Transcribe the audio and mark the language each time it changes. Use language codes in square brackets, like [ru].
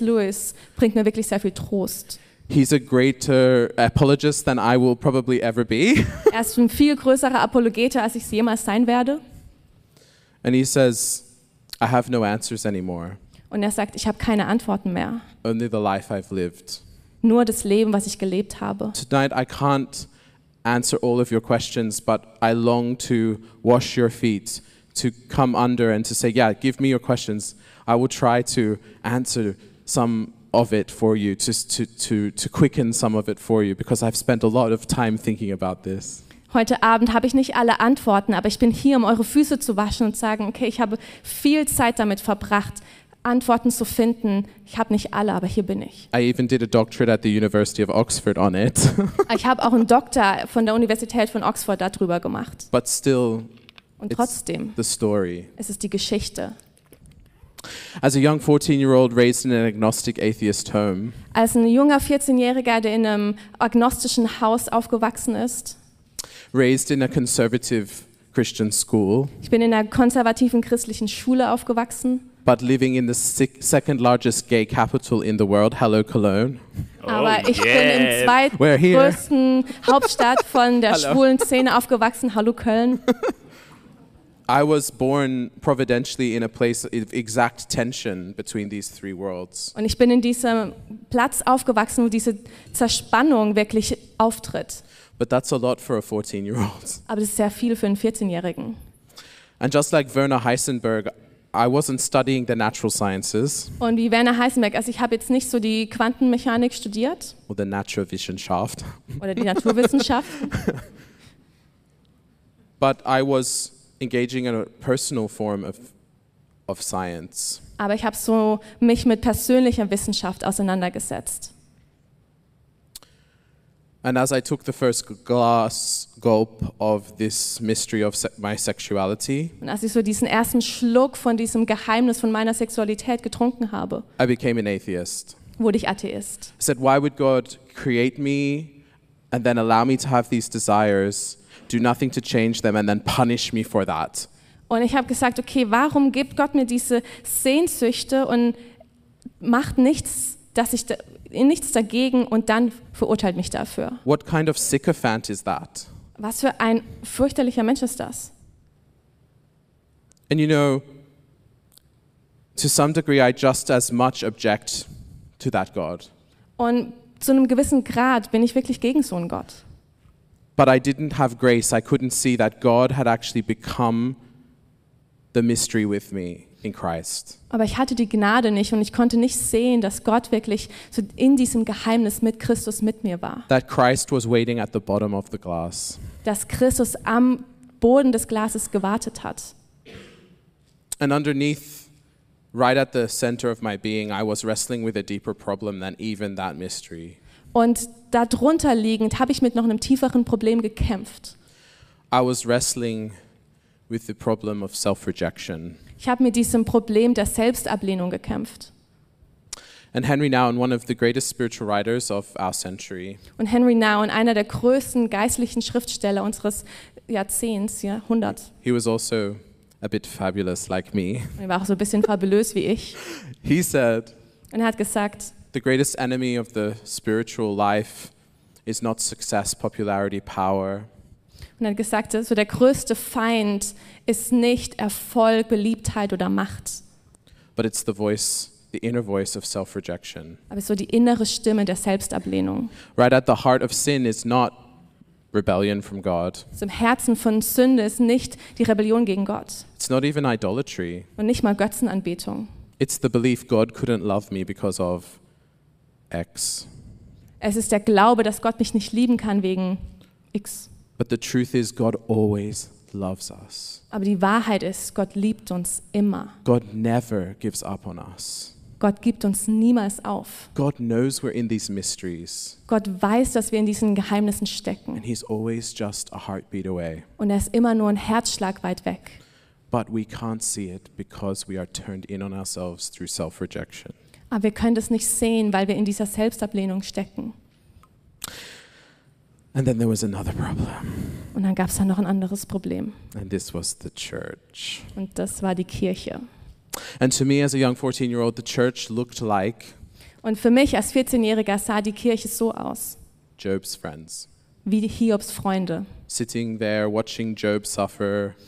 [de] Lewis bringt mir wirklich sehr viel Trost. [en] He's a greater apologist than I will probably ever be. [de] Er ist ein viel größerer Apologeter, als ich es jemals sein werde. [en] And he says, I have no answers anymore. [de] Und er sagt, ich habe keine Antworten mehr. [en] Only the life I've lived. [de] Nur das Leben, was ich gelebt habe. [en] Tonight I can't answer all of your questions, but I long to wash your feet, to come under and to say, yeah, give me your questions. I will try to answer some of it for you, to quicken some of it for you, because I've spent a lot of time thinking about this. [de] Heute Abend habe ich nicht alle Antworten, aber ich bin hier, um eure Füße zu waschen und sagen, okay, ich habe viel Zeit damit verbracht, Antworten zu finden. Ich habe nicht alle, aber hier bin ich. [en] I even did a doctorate at the University of Oxford on it. [de] Ich habe auch einen Doktor von der Universität von Oxford darüber gemacht. [en] But still, [de] und trotzdem, [en] the story. [de] Es ist die Geschichte. [en] As a young 14-year-old raised in an agnostic atheist home. [de] Als ein junger 14-Jähriger, der in einem agnostischen Haus aufgewachsen ist. [en] Raised in a conservative Christian school. [de] Ich bin in einer konservativen christlichen Schule aufgewachsen. [en] But living in the second largest gay capital in the world, hello Cologne. [de] Oh, aber ich [en] yes. [de] bin im zweitgrößten Hauptstadt von der schwulen Szene aufgewachsen, hallo Köln. [en] I was born providentially in a place of exact tension between these three worlds. [de] Und ich bin in diesem Platz aufgewachsen, wo diese Zerspannung wirklich auftritt. [en] But that's a lot for a 14-year-old. [de] Aber das ist sehr viel für einen 14-Jährigen. [en] And just like Werner Heisenberg, I wasn't studying the natural sciences. [de] Und wie Werner Heisenberg, also ich habe jetzt nicht so die Quantenmechanik studiert. [en] Or the Naturwissenschaft. [de] Oder die Naturwissenschaft. [en] But I was engaging in a personal form of science. [de] Aber ich habe so mich mit persönlicher Wissenschaft auseinandergesetzt. [en] And as I took the first glass gulp of this mystery of my sexuality, [de] und als ich so diesen ersten Schluck von diesem Geheimnis von meiner Sexualität getrunken habe, [en] I became an atheist. [de] Wurde ich Atheist. [en] I said, why would God create me and then allow me to have these desires, do nothing to change them and then punish me for that? [de] Und ich habe gesagt, okay, warum gibt Gott mir diese Sehnsüchte und macht nichts, dass ich nichts dagegen und dann verurteilt mich dafür? [en] What kind of sycophant is that? [de] Was für ein fürchterlicher Mensch ist das? [en] And you know, to some degree I just as much object to that God. [de] Und zu einem gewissen Grad bin ich wirklich gegen so einen Gott. [en] But I didn't have grace. I couldn't see that God had actually become the mystery with me in Christ. [de] Aber ich hatte die Gnade nicht und ich konnte nicht sehen, dass Gott wirklich so in diesem Geheimnis mit Christus mit mir war. [en] That Christ was waiting at the bottom of the glass. [de] Dass Christus am Boden des Glases gewartet hat. [en] And underneath, right at the center of my being, I was wrestling with a deeper problem than even that mystery. [de] Und darunter liegend habe ich mit noch einem tieferen Problem gekämpft. [en] I was wrestling with the problem of self-rejection. [de] Ich habe mit diesem Problem der Selbstablehnung gekämpft. [en] And Henry Nouwen, one of the greatest spiritual writers of our century. [de] Und Henry Nouwen, einer der größten geistlichen Schriftsteller unseres Jahrzehnts, Jahrhunderts. [en] He was also a bit fabulous like me. [de] Er war auch so ein bisschen fabulös wie ich. [en] He said, [de] und er hat gesagt, [en] the greatest enemy of the spiritual life is not success, popularity, power. [de] Und er hat gesagt, so der größte Feind ist nicht Erfolg, Beliebtheit oder Macht. [en] But it's the voice, the inner voice of self-rejection. [de] Aber so die innere Stimme der Selbstablehnung. [en] Right at the heart of sin is not rebellion from God. [de] So im Herzen von Sünde ist nicht die Rebellion gegen Gott. [en] It's not even idolatry. [de] Und nicht mal Götzenanbetung. [en] It's the belief God couldn't love me because of X. [de] Es ist der Glaube, dass Gott mich nicht lieben kann wegen X. [en] But the truth is, God always loves us. [de] Aber die Wahrheit ist, Gott liebt uns immer. [en] God never gives up on us. [de] Gott gibt uns niemals auf. [en] God knows we're in these mysteries. [de] Gott weiß, dass wir in diesen Geheimnissen stecken. [en] And he's always just a heartbeat away. [de] Und er ist immer nur ein Herzschlag weit weg. [en] But we can't see it because we are turned in on ourselves through self-rejection. [de] Aber wir können das nicht sehen, weil wir in dieser Selbstablehnung stecken. [en] And then there was another problem. [de] Und dann gab es da noch ein anderes Problem. [en] And this was the church. [de] Und das war die Kirche. [en] And to me as a young 14-year-old, the church looked like. [de] Und für mich als 14-Jähriger sah die Kirche so aus. [en] Job's friends. [de] Wie Hiobs Freunde. [en] Sitting there watching Job suffer.